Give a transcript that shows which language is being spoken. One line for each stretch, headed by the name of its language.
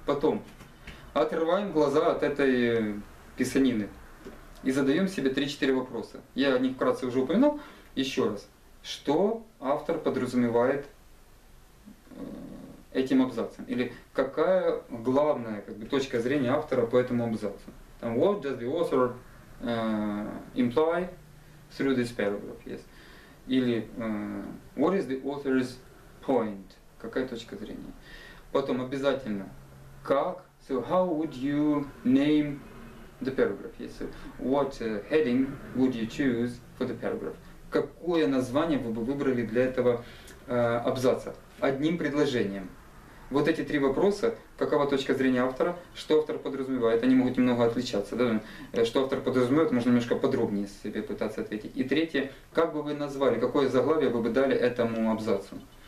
Russian: Потом отрываем глаза от этой писанины и задаем себе 3-4 вопроса. Я о них вкратце уже упомянул. Еще раз. Что автор подразумевает этим абзацем? Или какая главная как бы точка зрения автора по этому абзацу?
English: Там, what does the author imply through this paragraph? Yes. Или what is the author's point?
Russian: Какая точка зрения? Потом обязательно, как,
English: so how would you name the paragraph? Yes. So what heading would you choose for the paragraph?
Russian: Какое название вы бы выбрали для этого абзаца? Одним предложением. Вот эти три вопроса, какова точка зрения автора, что автор подразумевает, они могут немного отличаться, да? Что автор подразумевает, можно немножко подробнее себе пытаться ответить. И третье, как бы вы назвали, какое заглавие вы бы дали этому абзацу?